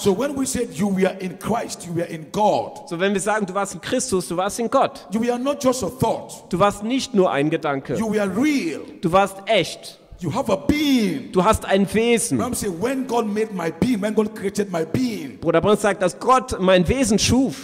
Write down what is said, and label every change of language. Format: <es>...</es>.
<en>So when we said you were in Christ, you were in God.</en> <de>So wenn wir sagen, du warst in Christus, du warst in Gott.</de> <en>You were not just a thought.</en> <de>Du warst nicht nur ein Gedanke.</de> <en>You were real.</en> <de>Du warst echt.</de> <en>You have a being.</en> <de>Du hast ein Wesen.</de> <en>Bram said, when God made my being, when God created my being.</en> <de>Bruder Branham sagt, dass Gott mein Wesen schuf.</de>